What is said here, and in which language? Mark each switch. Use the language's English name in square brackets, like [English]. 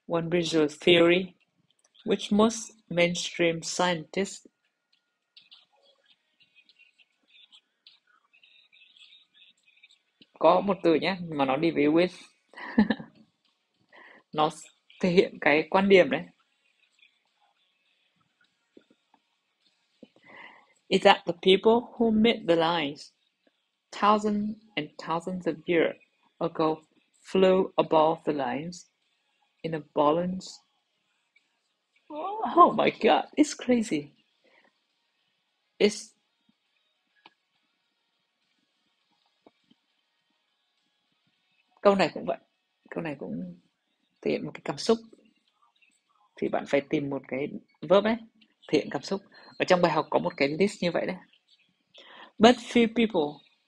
[English] One bizarre theory which most mainstream [Vietnamese] có một từ nhé mà nó đi với with nó thể hiện cái quan điểm đấy. [English] That the people who made the lines thousands and thousands of years ago flew above the lines in a balloons. Oh my god, it's crazy. It's [Vietnamese] câu này cũng vậy, câu này cũng thể hiện một cái cảm xúc. Thì bạn phải tìm một cái verb ấy thể hiện cảm xúc. Ở trong bài học có một cái list như vậy đấy. [English] But few people